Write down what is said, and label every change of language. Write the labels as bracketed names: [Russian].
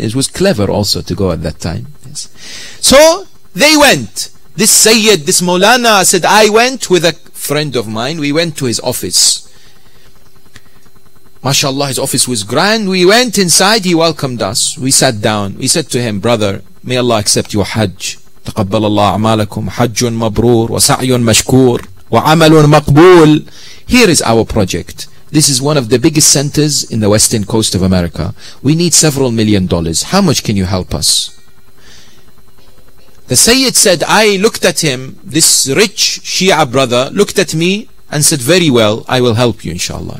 [English] It was clever also to go at that time. Yes. So they went. This Sayyid, this Mawlana said, I went with a friend of mine. We went to his office. MashaAllah, his office was grand. We went inside, he welcomed us. We sat down. We said to him, brother, may Allah accept your Hajj. [Arabic] تقبل الله أعمالكم حج مبرور وسعي مشكور وعمل مقبول. [English] Here is our project. This is one of the biggest centers in the Western Coast of America. We need several million dollars. How much can you help us? The Sayyid said, I looked at him, this rich Shia brother looked at me and said, very well, I will help you inshallah.